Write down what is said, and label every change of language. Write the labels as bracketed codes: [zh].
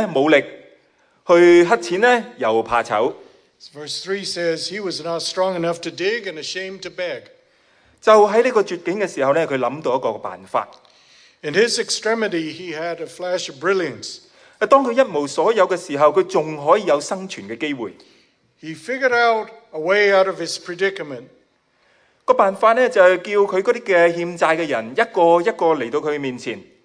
[zh] 正如经文讲，他说他自己锄地无力，去乞钱又怕丑。 [en] Verse 3 says he was not strong enough to dig and ashamed to beg. [zh] 就在这个绝境的时候，他想到一个办法。 [en] In his extremity, he had a flash of brilliance. [zh] 当他一无所有的时候，他还可以有生存的机会。 [en] He figured out a way out of his predicament. [zh] 个办法就是叫他那些欠债的人一个一个来到他面前。